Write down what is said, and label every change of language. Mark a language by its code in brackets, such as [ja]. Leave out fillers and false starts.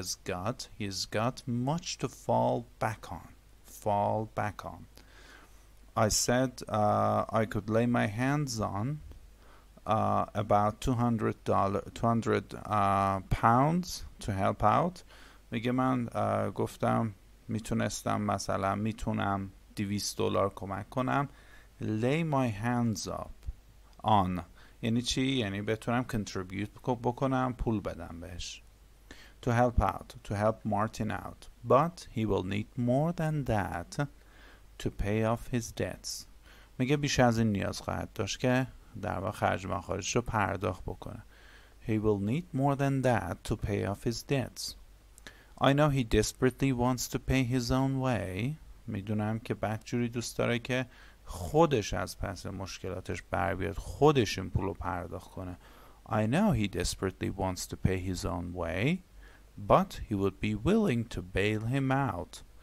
[en] I don't think he has got much to fall back on. Fall back on. I said I could lay my hands on about £200 to help out. [fa] میگه من گفتم میتونستم مثلا میتونم $200 کمک کنم. [en] Lay my hands up on. [fa] یعنی چی؟ یعنی بتونم contribute بکنم، پول بدم بهش. [en] To help out. To help Martin out. But he will need more than that. to pay off his debts. [fa] میگه بیش از این نیاز خواهد داشت که در واقع خرج مخارجش رو پرداخت بکنه. [en] He will need more than that to pay off his debts. I know he desperately wants to pay his own way. [fa] میدونم که بدجوری دوست داره که خودش از پس مشکلاتش بر بیاد، خودش این پول رو پرداخت کنه. [en] I know he desperately wants to pay his own way, but he would be willing to bail him out.